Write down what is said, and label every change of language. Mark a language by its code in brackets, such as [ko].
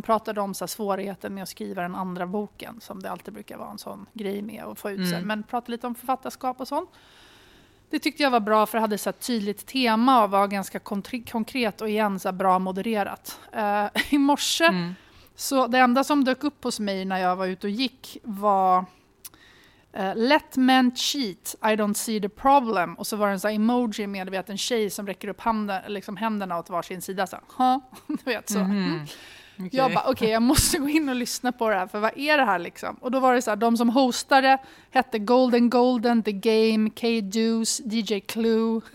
[sv] De pratade om så här svårigheten med att skriva den andra boken, som det alltid brukar vara en sån grej med att få ut sig. Men pratade lite om författarskap och sånt. Det tyckte jag var bra, för det hade så här tydligt tema och var ganska konkret och igen så bra modererat. I morse, så det enda som dök upp hos mig när jag var ute och gick var... [en] Let men cheat, I don't see the problem. [sv] Och så var det en sån emoji med vet, en tjej som räcker upp handen, liksom händerna åt varsin sida. Så, du vet, så. Mm-hmm. Okay. Jag bara, okej, jag måste gå in och lyssna på det här. För vad är det här liksom? Och då var det så här, de som hostade hette Golden, The Game, K-Deuce, DJ Clue.